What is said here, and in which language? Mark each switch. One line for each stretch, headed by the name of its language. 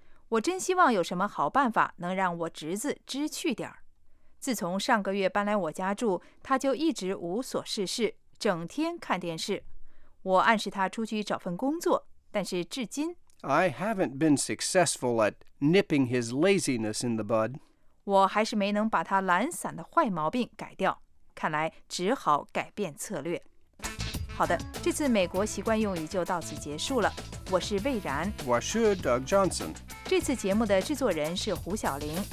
Chinese: 我真希望有什么好办法能让我侄子知趣点儿。自从上个月搬来我家住，他就一直无所事事，整天看电视。我暗示他出去找份工作，但是至今
English: I haven't been successful at nipping his laziness in the bud.
Chinese: 我还是没能把他懒散的坏毛病改掉。看来只好改变策略。好的，这次美国习惯用语就到此结束了。我是魏然，我是 Doug Johnson。这次节目的制作人是胡晓玲。